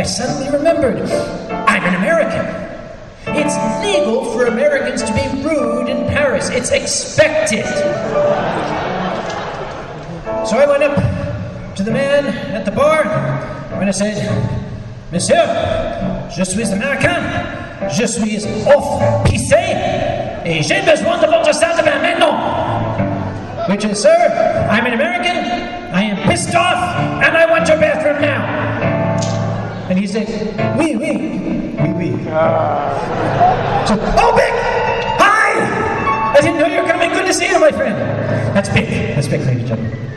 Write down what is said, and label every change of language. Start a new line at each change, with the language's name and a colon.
English: I suddenly remembered. I'm an American. It's legal for Americans to be rude in Paris. It's expected. So I went up to the man at the bar, and I said,
French: Monsieur, je suis American. Je suis off-pissé. Et j'ai besoin de votre salle de bain maintenant.
English: Which is, sir, I'm an American, I am pissed off, and I want your bathroom now. And he said,
French: oui, oui. Oui, oui.
English: So, oh, Big! Hi! I didn't know you were coming. Good to see you, my friend. That's Big. That's Big, ladies and gentlemen.